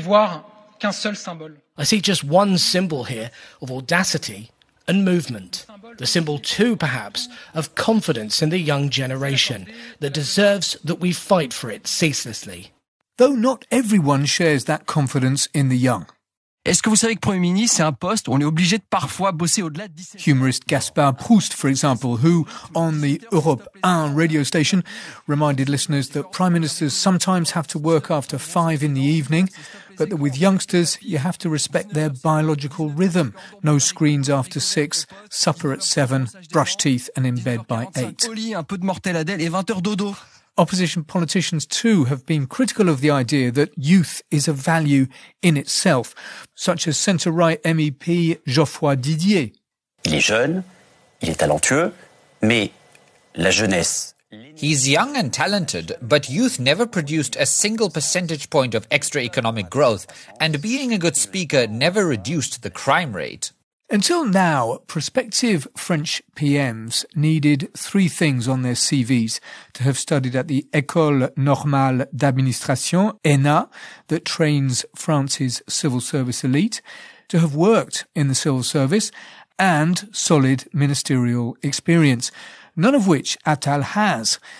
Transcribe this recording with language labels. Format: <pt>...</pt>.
<fr>voir qu'un seul symbole.</fr> <en>I see just one symbol here of audacity and movement. The symbol too, perhaps, of confidence in the young generation that deserves that we fight for it ceaselessly. Though not everyone shares that confidence in the young.</en> <fr>Est-ce que vous savez que Premier ministre, c'est un poste où on est obligé de parfois bosser au-delà de 17...</fr> <en>Humorist Gaspard Proust, for example, who, on the Europe 1 radio station, reminded listeners that prime ministers sometimes have to work after 5 in the evening, but that with youngsters, you have to respect their biological rhythm. No screens after 6, supper at 7, brush teeth and in bed by 8.</en> <fr>Un peu de mortelladelle et 20 heures dodo.</fr> <en>Opposition politicians, too, have been critical of the idea that youth is a value in itself, such as centre-right MEP Geoffroy Didier.</en> <fr>Il est jeune, il est talentueux, mais la jeunesse...</fr> <en>He's young and talented, but youth never produced a single percentage point of extra economic growth, and being a good speaker never reduced the crime rate. Until now, prospective French PMs needed 3 things on their CVs: to have studied at the École Normale d'Administration, ENA, that trains France's civil service elite, to have worked in the civil service, and solid ministerial experience, none of which Attal has.</en>